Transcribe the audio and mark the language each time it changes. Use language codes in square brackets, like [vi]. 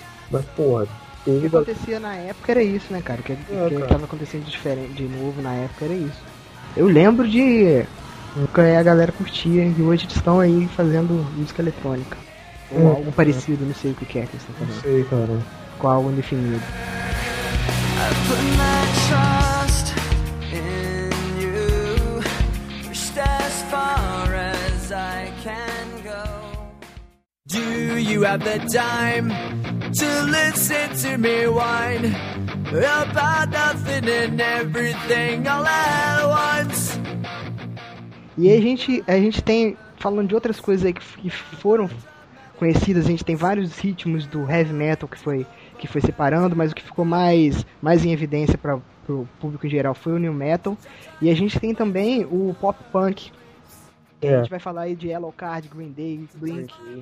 [pt] Mas, porra, teve. O que acontecia na época era isso, né, cara? O que tava acontecendo diferente de novo na época era isso. Eu lembro de que a galera curtia e hoje eles estão aí fazendo música eletrônica. Ou algo parecido, não sei o que é que eles estão fazendo. Não sei, cara. Com algo indefinido. [en] I put my trust in you, pushed as far as I can go. Do you have the time to listen to me whine about nothing and everything all at once? [pt] E aí a gente tem, falando de outras coisas aí que foram conhecidas, a gente tem vários ritmos do heavy metal que foi separando, mas o que ficou mais em evidência para o público em geral foi o new metal. E a gente tem também o pop punk, que a gente vai falar aí de Yellow Card, Green Day, Blink.